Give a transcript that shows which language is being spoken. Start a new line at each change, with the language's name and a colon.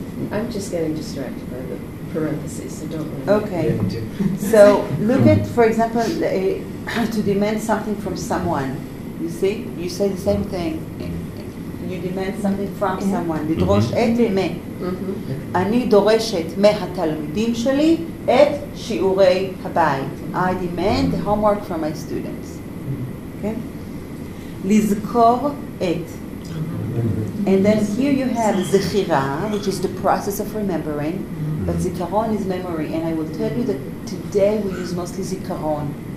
English: I'm just getting distracted by the parentheses, so don't worry. Okay. So look at, for example, to demand something from someone. You see? You say the same thing. You demand something from someone.
Hebrew: לדרוש את מה. אני דורשת מהתלמידים שלי את שיעורי הבית.
English: I demand the homework from my students. Okay?
Hebrew: לזכור את.
English: And then here you have zikhira, which is the process of remembering, but zikaron is memory. And I will tell you that today we use mostly zikaron.